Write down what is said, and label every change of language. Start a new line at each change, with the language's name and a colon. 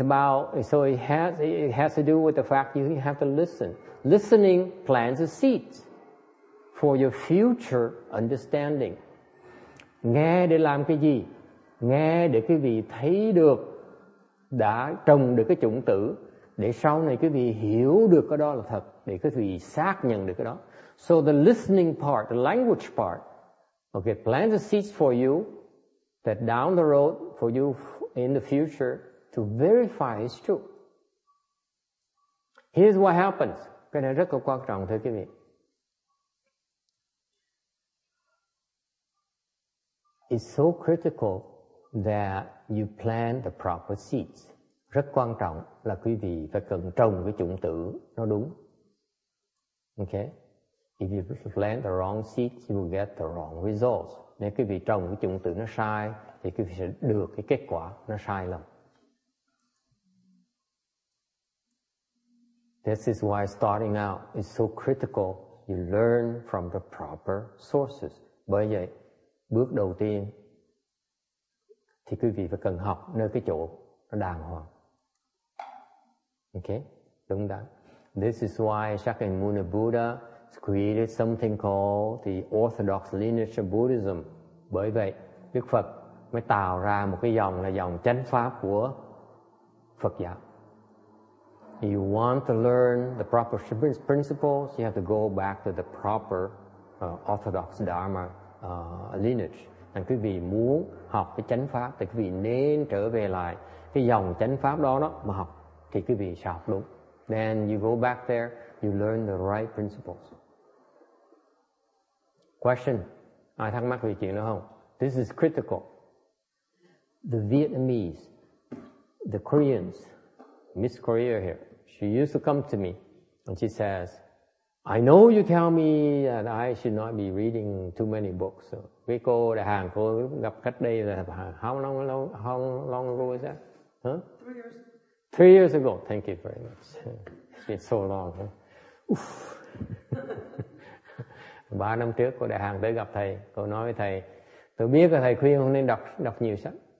English: It has to do with the fact you have to listen. Listening plants the seeds for your future understanding.
Vietnamese: Nghe để làm cái gì? Nghe để quý vị thấy được, đã trồng được cái chủng tử, để sau này quý vị hiểu được cái đó là thật, để quý vị xác nhận được cái đó.
English: So the listening part, the language part, okay, plant the seeds for you that down the road for you in the future to verify it's true. Here's what happens.
Vietnamese: Cái này rất là quan trọng thưa quý vị.
English: It's so critical that you plant the proper seeds.
Vietnamese: Rất quan trọng là quý vị phải cần trồng cái chủng tử nó đúng.
English: Okay? If you plant the wrong seeds, you will get the wrong results.
Vietnamese: Nếu quý vị trồng cái chủng tử nó sai, thì quý vị sẽ được cái kết quả nó sai lầm.
English: This is why starting out is so critical. You learn from the proper sources.
Vietnamese: Bởi vậy, bước đầu tiên thì quý vị phải cần học nơi cái chỗ nó đàng hoàng.
English: Okay?
Vietnamese: Đúng đó.
English: This is why Shakyamuni Buddha created something called the Orthodox Lineage of Buddhism.
Vietnamese: Bởi vậy, Đức Phật mới tạo ra một cái dòng là dòng chánh pháp của Phật giáo.
English: You want to learn the proper principles, you have to go back to the proper Orthodox Dharma. Lineage.
Vietnamese: Nên quý vị muốn học cái chánh pháp thì quý vị nên trở về lại cái dòng chánh pháp đó mà học, thì quý vị sẽ học đúng.
English: Then you go back there, you learn the right principles. Question.
Vietnamese: Ai thắc mắc về chuyện đó không?
English: This is critical. The Vietnamese, the Koreans, Miss Korea here, she used to come to me and she says, I know you tell me that I should not be reading too many books.
Vietnamese: Cái cô đại Hàn cô gặp cách đây là
English: how long ago is that? Huh? 3 years. 3 years ago. Thank you very much. It's so long.
Vietnamese: Ba huh? Năm trước cô đại Hàn tới gặp thầy. Cô nói với thầy, tôi biết là thầy khuyên không nên đọc nhiều sách.